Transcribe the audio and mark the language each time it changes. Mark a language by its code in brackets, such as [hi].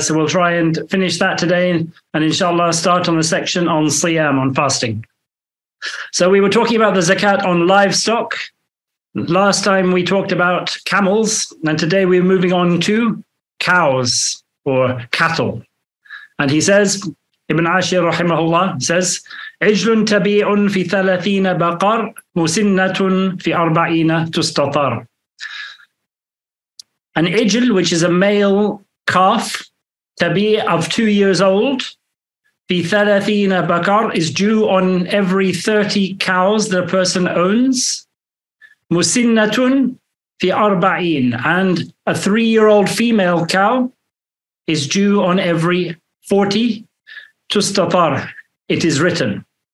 [en] So we'll try and finish that today and inshallah start on the section on siyam, on fasting. So we were talking about the zakat on livestock. Last time we talked about camels, and today we're moving on to cows or cattle. And he says, Ibn Ashir rahimahullah says, [ar] عِجْلٌ تَبِيعٌ فِي ثَلَثِينَ بَقَرْ مُسِنَّةٌ فِي أَرْبَعِينَ تُسْتَطَرْ. [en] An ijl, which is a male calf, tabi' of 2 years old, [ar] فِي ثَلَثِينَ بَقَرْ, [en] is due on every 30 cows that a person owns, [ar] مُسِنَّةٌ فِي أَرْبَعِينَ, [en] and a three-year-old female cow is due on every 40, tustatar, it is written.